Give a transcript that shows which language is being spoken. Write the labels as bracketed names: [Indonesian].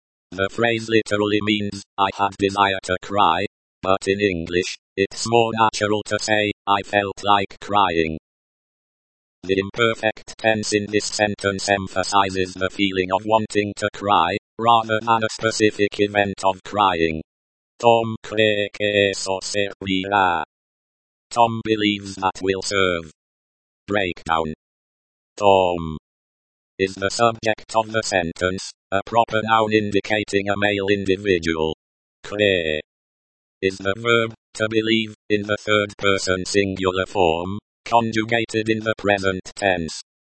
[English] The phrase literally means, I had desire to cry, but in English, it's more natural to say, I felt like crying. The imperfect tense in this sentence emphasizes the feeling of wanting to cry, rather than a specific event of crying. [Spanish] Tom cree que eso servirá. [English] Tom believes that will serve. Breakdown. Tom is the subject of the sentence, a proper noun indicating a male individual. Cree is the verb, to believe, in the third person singular form, conjugated in the present tense.